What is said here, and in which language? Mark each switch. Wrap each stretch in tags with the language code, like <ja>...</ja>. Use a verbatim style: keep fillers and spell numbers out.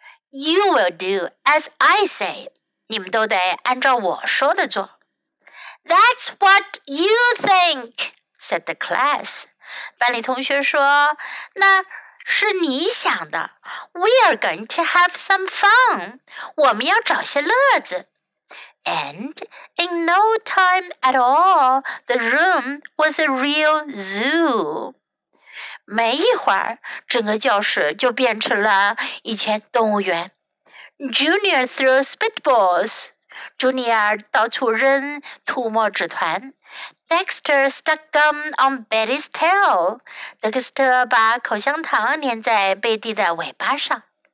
<en>You will do as I say.</en> <zh>你们都得按照我说的做。</zh> <en>That's what you think, said the class.</en> <zh>班里同学说，那是你想的。</zh> <en>We are going to have some fun.</en> <zh>我们要找些乐子。</zh> <en>And in no time at all, the room was a real zoo.</en> <zh>没一会儿，整个教室就变成了一间动物园。</zh> <en>Junior threw spitballs.</en> <zh>Junior 到处扔吐沫纸团。</zh> <en>Dexter stuck gum on Betty's tail.</en> <zh>Dexter 把口香糖粘在贝蒂的尾巴上。</zh>